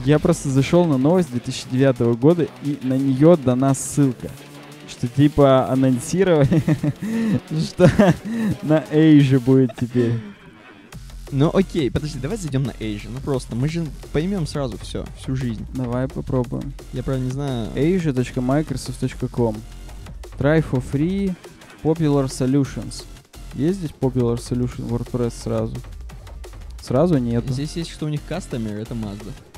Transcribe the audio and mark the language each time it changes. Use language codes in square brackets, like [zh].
[ru] Я просто зашел на новость 2009 года, и на нее дана ссылка. Что типа анонсировали, что на Asia будет теперь. Ну окей, подожди, давай зайдем на Asia. Ну просто, мы же поймем сразу все, всю жизнь. Давай попробуем. Я правда не знаю. Asia.microsoft.com. [en] Try for free popular solutions. [ru] Есть здесь popular solution WordPress сразу? Сразу нету. Здесь есть, что у них customer, это Mazda.